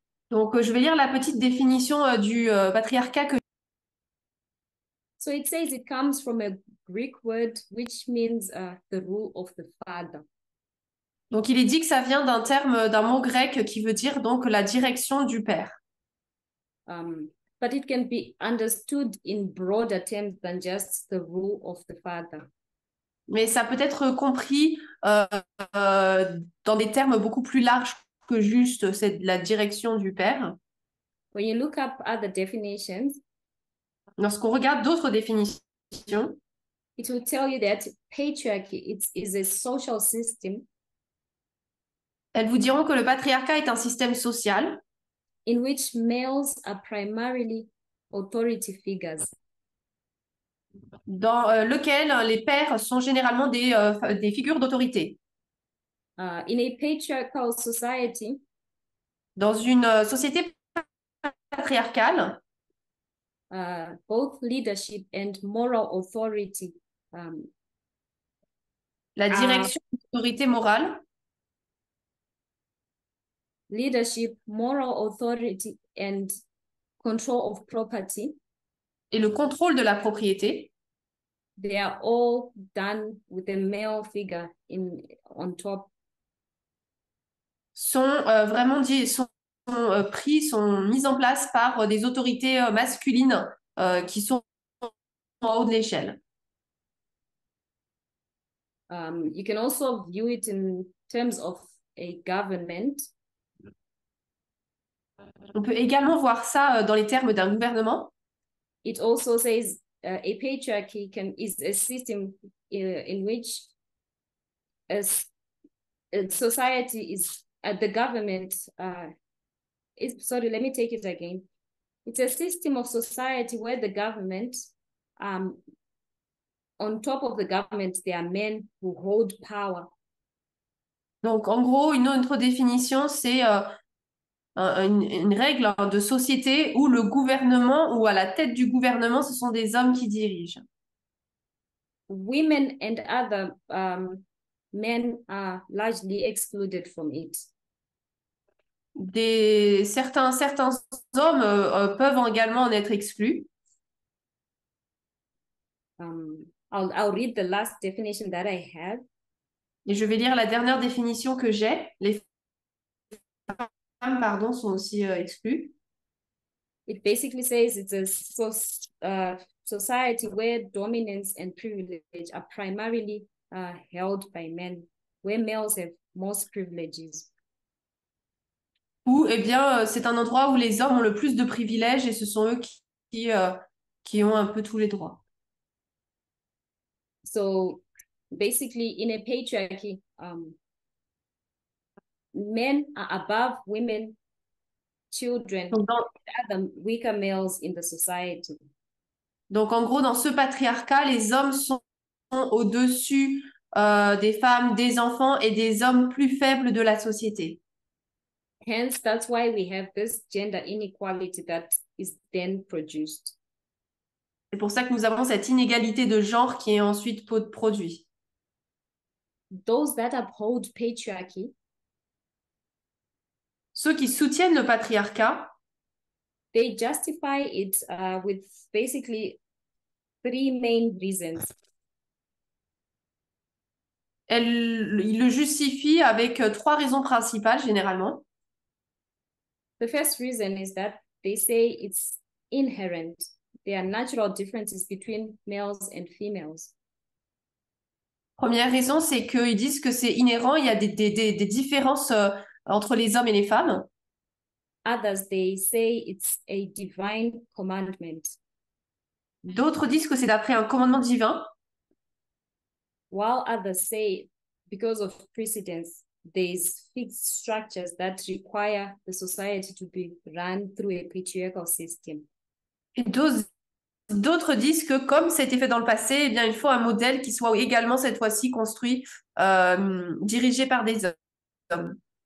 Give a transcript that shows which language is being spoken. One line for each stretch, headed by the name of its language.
French: Donc, je vais lire la petite définition du patriarcat que.
English: So it says it comes from a Greek word which means the rule of the father.
French: Donc, il est dit que ça vient d'un terme, d'un mot grec qui veut dire donc la direction du père.
English: But it can be understood in broader terms than just the rule of the father.
French: Mais ça peut être compris dans des termes beaucoup plus larges que juste c'est la direction du père.
English: When you look up other definitions,
French: Lorsqu'on regarde d'autres définitions,
English: it will tell you that patriarchy is a social system
French: elles vous diront que le patriarcat est un système social
English: in which males are primarily authority figures.
French: dans lequel les pères sont généralement des figures d'autorité.
English: In a patriarchal society,
French: Dans une société patriarcale,
English: both leadership and moral authority
French: la direction d'autorité morale,
English: leadership, moral authority, and control of property,
French: et le contrôle de la propriété
English: they are all done with a male figure in on top.
French: sont vraiment dit sont pris, sont mises en place par des autorités masculines qui sont en haut de l'échelle.
English: You can also view it in terms of a government.
French: On peut également voir ça dans les termes d'un gouvernement.
English: It also says a patriarchy can is a system in which a society is at the government is sorry, let me take it again. It's a system of society where the government on top of the government, there are men who hold power.
French: Donc, en gros, une autre définition, c'est une règle de société où le gouvernement ou à la tête du gouvernement, ce sont des hommes qui dirigent.
English: Women and other men are largely excluded from it.
French: Certains hommes peuvent également en être exclus.
English: I'll read the last definition that I have.
French: Et je vais lire la dernière définition que j'ai. Les femmes, pardon, sont aussi exclues.
English: It basically says it's a society where dominance and privilege are primarily held by men, where males have most privileges.
French: Ou, eh bien, c'est un endroit où les hommes ont le plus de privilèges et ce sont eux qui ont un peu tous les droits.
English: So basically, in a patriarchy, men are above women, children, and other weaker males in the society.
French: Donc en gros, dans ce patriarcat, les hommes sont au-dessus des femmes, des enfants et des hommes plus faibles de la société.
English: Hence, that's why we have this gender inequality that is then produced.
French: C'est pour ça que nous avons cette inégalité de genre qui est ensuite produite.
English: Those that uphold patriarchy,
French: Ceux qui soutiennent le patriarcat,
English: they justify it with basically three main reasons.
French: ils le justifient avec trois raisons principales généralement.
English: The first reason is that they say it's inherent. There are natural differences between males and females.
French: Première raison, c'est qu'ils disent que c'est inhérent, il y a des différences entre les hommes et les femmes.
English: Others, they say it's a divine commandment.
French: D'autres disent que c'est d'après un commandement divin.
English: While others say, because of precedence, there's fixed structures that require the society to be run through a patriarchal system.
French: Et d'autres disent que comme ça a été fait dans le passé, eh bien, il faut un modèle qui soit également cette fois-ci construit, dirigé par des hommes.